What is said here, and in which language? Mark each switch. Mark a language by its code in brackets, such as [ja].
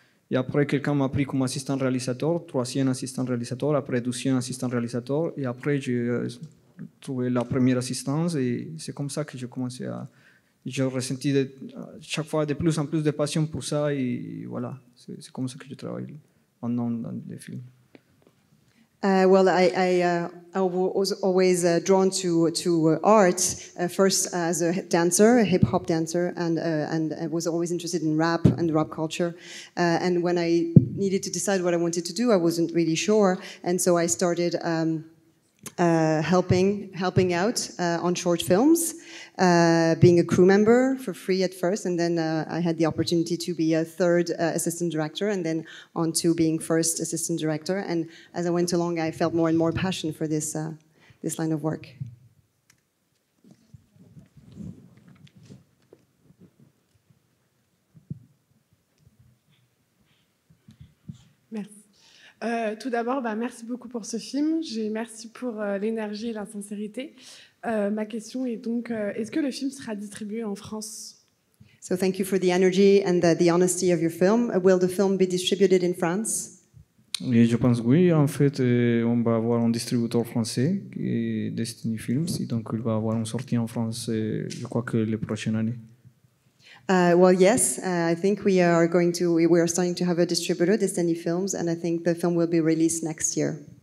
[fr] Et après, quelqu'un m'a pris comme assistant réalisateur, troisième assistant réalisateur, après deuxième assistant réalisateur. Et après, j'ai trouvé la première assistance et c'est comme ça que j'ai commencé à... J'ai ressenti chaque fois de plus en plus de passion pour ça et voilà, c'est comme ça que je travaille maintenant dans les films. [en] Well, I was always drawn to art, first as a dancer, a hip-hop dancer, and I was always interested in rap and the rap culture. And when I needed to decide what I wanted to do, I wasn't really sure, and so I started helping out on short films, being a crew member for free at first, and then I had the opportunity to be a third assistant director, and then on to being first assistant director. And as I went along, I felt more and more passion for this line of work. [fr] Tout d'abord, bah, merci beaucoup pour ce film. Merci pour l'énergie et la sincérité. Ma question est donc, est-ce que le film sera distribué en France? [en] So thank you for the energy and the honesty of your film. Will the film be distributed in France? [fr] Oui, je pense oui. En fait, on va avoir un distributeur français, Destiny Films, et donc il va avoir une sortie en France, je crois que les prochaines années. [en] Well, yes, I think we are starting to have a distributor, Destiny Films, and I think the film will be released next year.